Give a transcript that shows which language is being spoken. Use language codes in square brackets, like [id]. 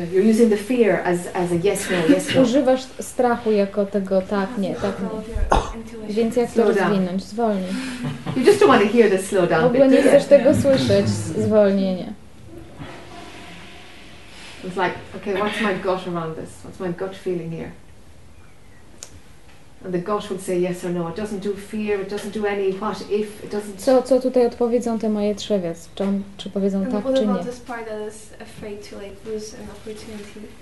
[en] You're using the fear as a yes no, yes no. [pl] Używasz strachu jako tego tak nie, tak nie. Więc jak to rozwinąć? Zwolnij. [en] You just don't want to hear the slow down. [pl] W ogóle nie chcesz tego słyszeć. Zwolnienie. [en] It's like, okay, what's my gut around this? What's my gut feeling here? And the gut would say yes or no. It doesn't do fear. It doesn't do any what if. It doesn't. [pl] Co tutaj odpowiedzą te moje trzewia? Czy powiedzą tak czy nie? [en] What about this part that is afraid to like lose an opportunity?